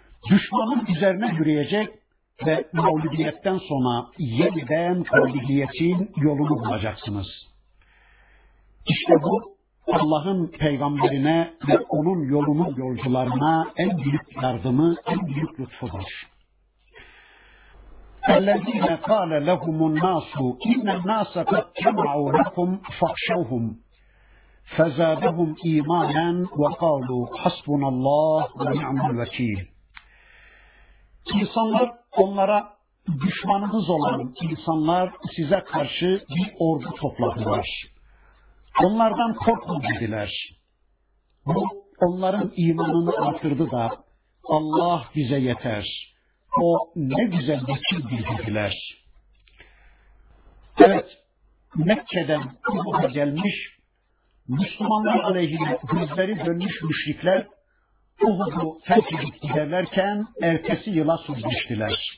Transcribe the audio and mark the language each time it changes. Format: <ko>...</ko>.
<tr>Düşmanın üzerine yürüyecek ve mağlubiyetten sonra yeniden mağlubiyetin yolunu bulacaksınız. İşte bu Allah'ın peygamberine ve onun yolunun yolcularına en büyük yardımı, en büyük lütfudur.</tr> <ar>اَلَّذ۪ينَ قَالَ لَهُمُ النَّاسُ اِنَّ النَّاسَ قَدْ كَمَعُوا لَكُمْ فَخْشَوْهُمْ فَزَادَهُمْ اِيمَانًا وَقَالُوا حَسْبُنَ اللّٰهُ وَنِعْمُ الْوَكِيلِ</ar> <tr>İnsanlar onlara, düşmanınız olan insanlar size karşı bir ordu topladılar. Onlardan korkun dediler. Bu onların imanını artırdı da Allah bize yeter. O ne güzel vekildir dediler. Evet, Mekke'den Uhud'a gelmiş, Müslümanlar aleyhine gözleri dönmüş müşrikler Uhud'u terk edip giderlerken ertesi yıla sürmüştüler.</tr>